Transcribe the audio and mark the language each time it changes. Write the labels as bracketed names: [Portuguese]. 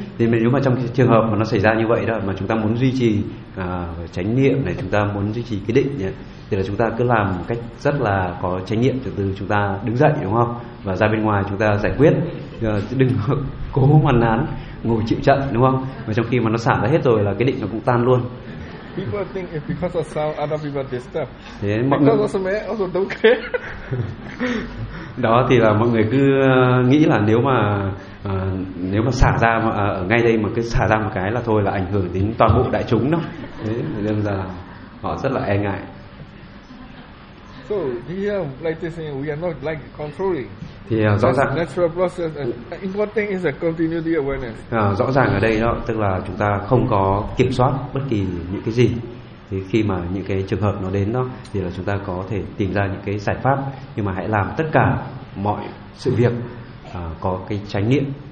[Vietnamese] Thì nếu mà trong cái trường hợp mà nó xảy ra như vậy đó, mà chúng ta muốn duy trì chánh niệm này, chúng ta muốn duy trì cái định này, thì là chúng ta cứ làm một cách rất là có chánh niệm, từ từ chúng ta đứng dậy, đúng không, và ra bên ngoài chúng ta giải quyết, đừng cố hoàn nán. ngồi chịu trận đúng không? Và trong khi mà nó xả ra hết rồi là cái định nó cũng tan luôn. [English] People think it's because of sound, other people disturb. [Vietnamese] Thế mọi người [English] also mẹ also don't care. [Vietnamese] Đó thì là mọi người cứ nghĩ là nếu mà xả ra mà ở ngay đây mà cứ xả ra một cái là thôi là ảnh hưởng đến toàn bộ đại chúng đó. Thế nên là họ rất là e ngại. [English] So here, like this, we are not like controlling. [Vietnamese] Thì rõ ràng. [English] Natural process. Important is a continuity awareness. [Vietnamese] Rõ ràng ở đây đó, tức là chúng ta không có kiểm soát bất kỳ những cái gì. Thì khi mà những cái trường hợp nó đến đó, thì là chúng ta có thể tìm ra những cái giải pháp. Nhưng mà hãy làm tất cả mọi sự việc có cái chánh niệm.